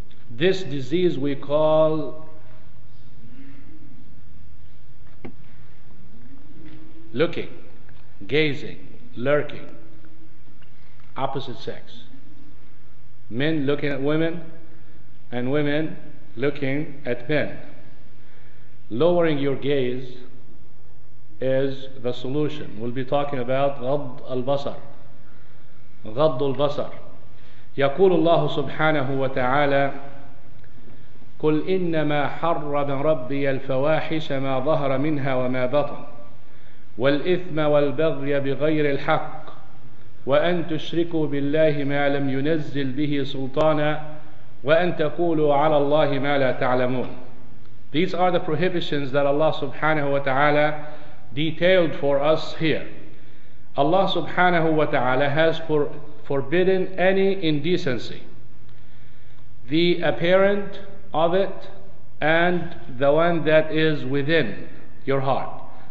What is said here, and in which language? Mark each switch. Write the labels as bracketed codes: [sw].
[en] This disease we call looking, gazing, lurking, opposite sex. Men looking at women and women looking at men. Lowering your gaze is the solution. We'll be talking about غض البصر. [ar] غض البصر. يقول الله سبحانه وتعالى قل إنما حرم ربي الفواحش ما ظهر منها وما بطن والإثم والبغي بغير الحق وأن تشركوا بالله ما لم ينزل به سلطانا وأن تقولوا على الله ما لا تعلمون. [en] These are the prohibitions that Allah subhanahu wa ta'ala detailed for us here. Allah subhanahu wa ta'ala has forbidden any indecency, the apparent of it and the one that is within your heart.